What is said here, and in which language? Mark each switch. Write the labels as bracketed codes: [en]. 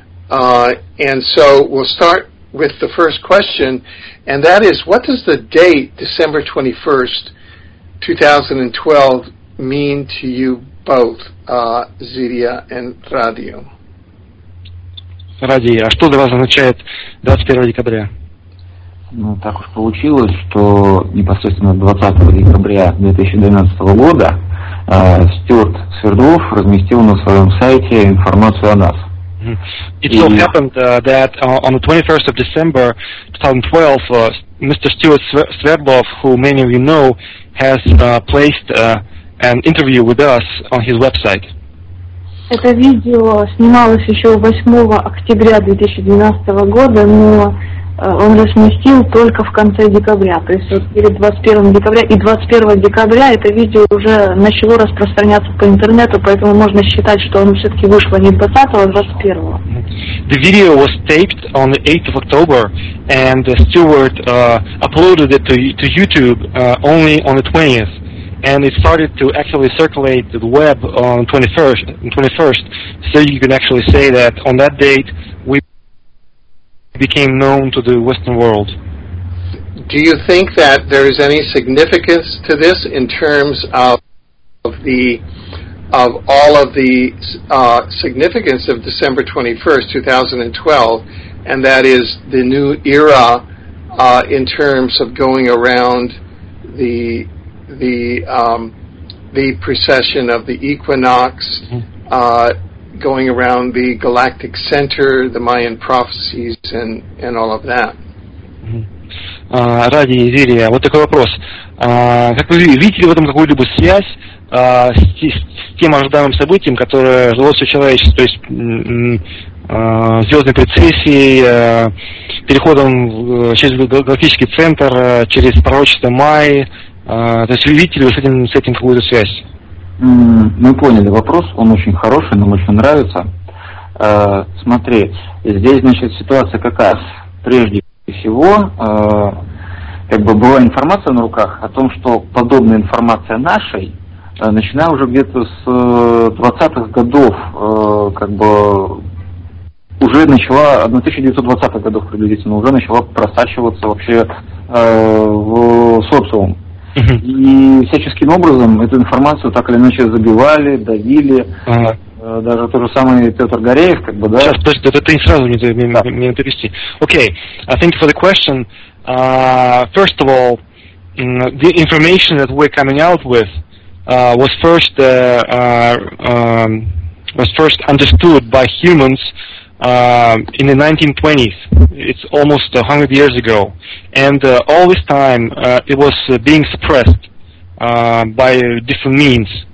[en] And so we'll start with the first question, and that is, what does the date December 21st, 2012 mean to you both, Зидия and Радио? [ru] Радио, а что для вас означает 21 декабря? Ну, так уж получилось, что непосредственно 20 декабря 2012 года Стюарт Свердлов разместил на своем сайте информацию о нас. [en] It so happened that on the 21st of December 2012, Mr. Stuart Sverdlov, who many of you know, has placed an interview with us on his website. [ru] Это видео снималось еще 8 октября 2012 года, но он разместил только в конце декабря, то есть вот перед 21 декабря. И 21 декабря это видео уже начало распространяться по интернету, поэтому можно считать, что оно все-таки вышло не 20-го, а 21-го. [en] The video was taped on the 8th of October, and Stuart uploaded it to YouTube only on the 20th. And it started to actually circulate the web on 21st. So you can actually say that on that date, became known to the Western world. Do you think that there is any significance to this in terms of all of the significance of December 21st, 2012, and that is the new era in terms of going around the precession of the equinox, going around the galactic center, the Mayan prophecies, and all of that. [ru] Ради Зирия, вот такой вопрос. Как вы видите в этом какую-либо связь с тем ожидаемым событием, которое ждалось у человечества, то есть звездной прецессией, переходом через галактический центр, через пророчество Майи? То есть вы видите ли с этим какую-то связь? Мы поняли вопрос, он очень хороший, нам очень нравится. Смотри, здесь, значит, ситуация какая? Прежде всего, как бы была информация на руках о том, что подобная информация нашей, начиная уже где-то с 20-х годов, как бы уже начала, 1920-х годов приблизительно, уже начала просачиваться вообще в социум. И всяческим образом эту информацию так или иначе забивали, давили. Даже тот же самый Петр Гореев, как бы, да? Сейчас, подожди, это не сразу мне перевести. [en] Окей, thank you for the question. First of all, the information that we're coming out with was first understood by humans in the 1920s. It's almost 100 years ago. And all this time it was being suppressed by different means.